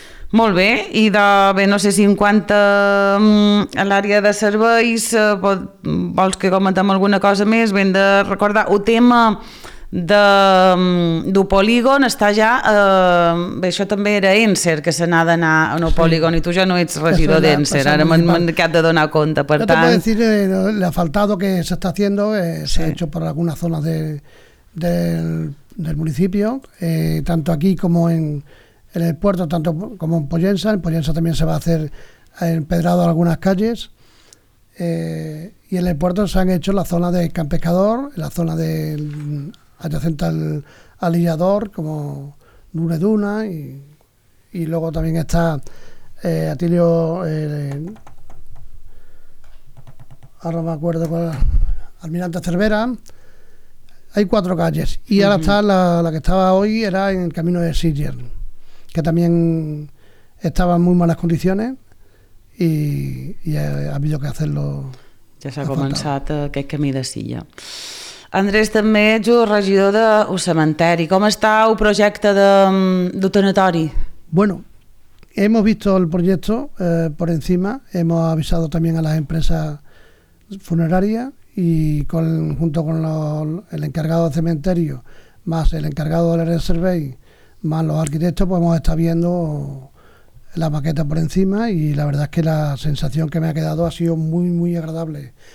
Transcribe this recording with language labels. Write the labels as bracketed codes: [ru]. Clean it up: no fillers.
[ca] Molt bé, i de bé, no sé si en quant a l'àrea de serveis vols que comentem alguna cosa més, ben de recordar el tema del polígon està ja, bé, això també era Enser que se n'ha d'anar a un polígon, sí. I tu ja no ets regidor es d'Enser, ara m'han acabat de donar compte, per [es] yo [ca] tant. [es] Yo te puedo decir, el asfaltado que se está haciendo sí. Se ha hecho por algunas zonas del municipio, tanto aquí como en el puerto, tanto como en Pollensa. En Pollensa también se va a hacer empedrado algunas calles. Y en el puerto se han hecho la zona de Camp Pescador, la zona adyacente al Lillador, como Nure Duna, y luego también está Atilio. Ahora no me acuerdo cuál. Almirante Cervera. Hay cuatro calles. Y ahora está la que estaba hoy, era en el camino de Sitges, que también estaba en muy malas condiciones y ha habido que hacerlo. [ca] Ja s'ha començat aquest camí de silla. Andrés, també ets el regidor del cementeri. Com està el projecte de tanatori? [es] Bueno, hemos visto el proyecto por encima, hemos avisado también a las empresas funerarias y junto con el encargado del cementerio más el encargado del área de survey más los arquitectos, pues hemos estado viendo la maqueta por encima y la verdad es que la sensación que me ha quedado ha sido muy, muy agradable.